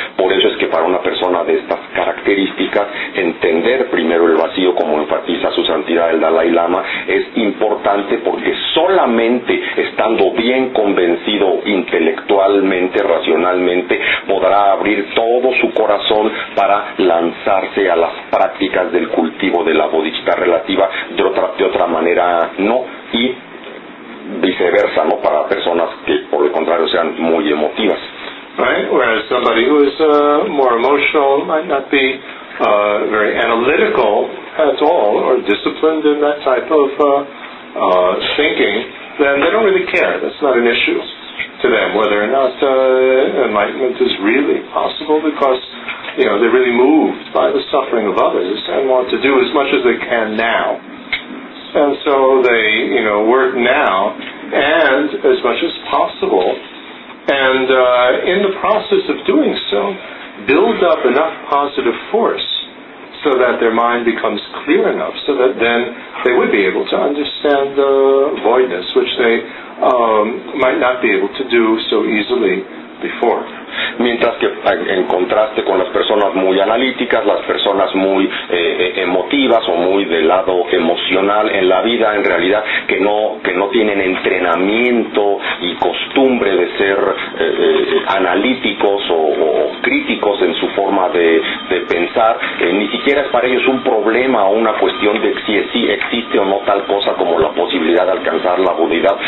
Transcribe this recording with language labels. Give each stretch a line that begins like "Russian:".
Spanish: Por eso es que para una persona de estas características, entender primero el vacío, como enfatiza su santidad el Dalai Lama, es importante, porque solamente estando bien convencido intelectualmente, racionalmente, podrá abrir todo su corazón para lanzarse a las prácticas del cultivo de la bodichitta relativa. De otra manera no, y viceversa, ¿no? Para personas que por el contrario sean muy emotivas.
English: Right, whereas somebody who is more emotional might not be very analytical at all or disciplined in that type of thinking, then they don't really care. That's not an issue to them whether or not enlightenment is really possible, because, you know, they're really moved by the suffering of others and want to do as much as they can now. And so they, you know, work now and as much as possible, and in the process of doing so, build up enough positive force so that their mind becomes clear enough so that then they would be able to understand the voidness, which they might not be able to do so easily before.
Spanish: Mientras que, en contraste con las personas muy analíticas, las personas muy emotivas o muy del lado emocional en la vida, en realidad que no tienen entrenamiento y costumbre de ser analíticos o críticos en su forma de pensar, ni siquiera es para ellos un problema o una cuestión de si existe o no tal cosa como la posibilidad de alcanzar la budidad.